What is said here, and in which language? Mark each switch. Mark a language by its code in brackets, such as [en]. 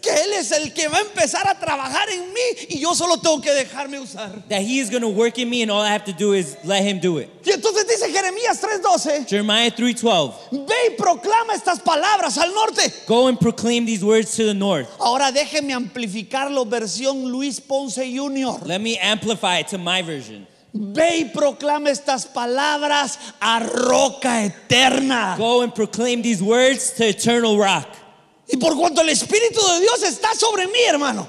[es] Que él es el que va a empezar a trabajar en mí y yo solo tengo que dejarme usar. [en] That he is going to work in me and all I have to do is let him do it. [es] Y entonces dice Jeremías 3:12. [en] Jeremiah 3:12. [es] Ve y proclama estas palabras al norte. [en] Go and proclaim these words to the north. [es] Ahora déjeme amplificarlo versión Luis Ponce Jr. [en] Let me amplify it to my version. [es] Ve y proclama estas palabras a roca eterna. [en] Go and proclaim these words to eternal rock. [es] Y por cuanto el Espíritu de Dios está sobre mí, hermano.